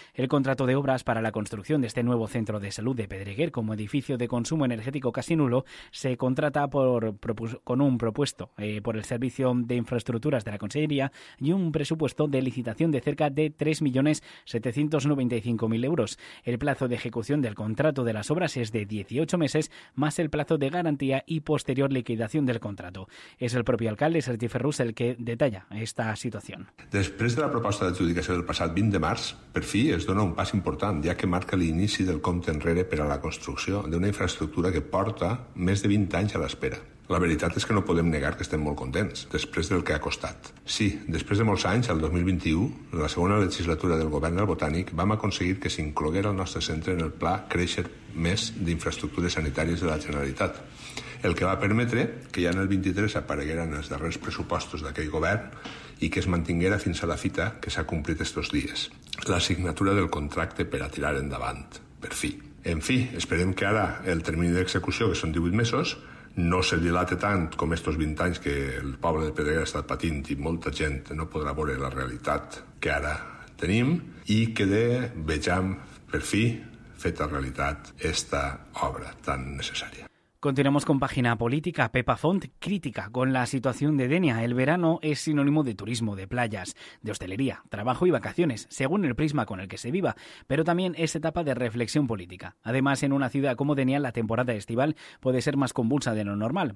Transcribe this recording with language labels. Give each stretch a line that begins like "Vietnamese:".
Spanish: El contrato de obras para la construcción de este nuevo centro de salud de Pedreguer, como edificio de consumo energético casi nulo, se contrata por el Servicio de Infraestructuras de la Consellería y un presupuesto de licitación de cerca de 3.795.000 euros. El plazo de ejecución del contrato de las obras es de 18 meses, más el plazo de garantía y posterior liquidación del contrato. Es el propio alcalde, Sergi Ferrús, el que detalla esta situación.
Catalan: Després de la proposta d'adjudicació del passat 20 de març, per fi es dona un pas important, ja que marca l'inici del compte enrere per a la construcció d'una infraestructura que porta més de 20 anys a l'espera. La veritat és que no podem negar que estem molt contents, després del que ha costat. Sí, després de molts anys, el 2021, en la segona legislatura del govern del Botànic, vam aconseguir que s'incloguera el nostre centre en el pla Créixer Més d'Infraestructures Sanitàries de la Generalitat, el que va permetre que ja en el 23 apareguessin els darrers pressupostos d'aquell govern i que es mantinguera fins a la fita que s'ha complit estos dies, la signatura del contracte per a tirar endavant, per fi. En fi, esperem que ara el termini d'execució, que són 18 mesos, no se dilate tant com estos 20 anys que el poble de Pedreguer ha estat patint i molta gent no podrà veure la realitat que ara tenim, i que vegem per fi feta realitat esta obra tan necessària.
Spanish: Continuamos con Página Política. Pepa Font crítica con la situación de Denia. El verano es sinónimo de turismo, de playas, de hostelería, trabajo y vacaciones, según el prisma con el que se viva, pero también es etapa de reflexión política. Además, en una ciudad como Denia, la temporada estival puede ser más convulsa de lo normal.